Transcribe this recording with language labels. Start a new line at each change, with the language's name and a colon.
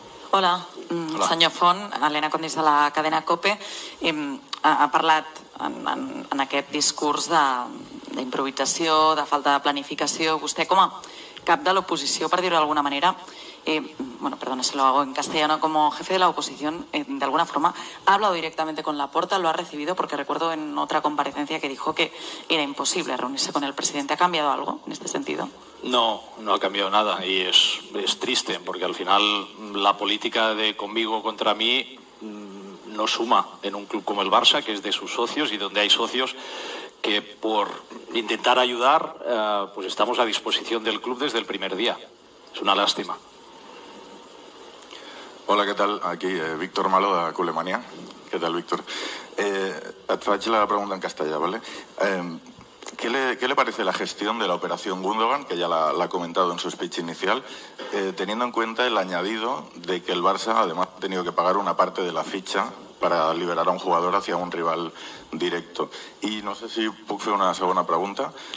Catalan: Hola. Hola, senyor Font, Elena Condis de la cadena COPE. Ha parlat en aquest discurs d'improvisació, de falta de planificació. Vostè, com a cap de l'oposició, per dir-ho d'alguna manera,
Spanish: bueno, perdona si lo hago en castellano, como jefe de la oposición, de alguna forma, ha hablado directamente con Laporta, lo ha recibido, porque recuerdo en otra comparecencia que dijo que era imposible reunirse con el presidente. ¿Ha cambiado algo en este sentido? No, no ha cambiado nada y es triste, porque al final la política de conmigo contra mí no suma en un club como el Barça, que es de sus socios y donde hay socios que por intentar ayudar, pues estamos a disposición del club desde el primer día. Es una lástima.
Catalan: Hola, què tal? Aquí Víctor Malo, de Culemania. Què tal, Víctor? Et faig la pregunta en castellà, ¿vale?
Spanish: ¿Qué le parece la gestión de la operación Gundogan, que ya la ha comentado en su speech inicial, teniendo en cuenta el añadido de que el Barça además ha tenido que pagar una parte de la ficha para liberar a un jugador hacia un rival directo?
Catalan: Y no sé si puc fer una segona pregunta.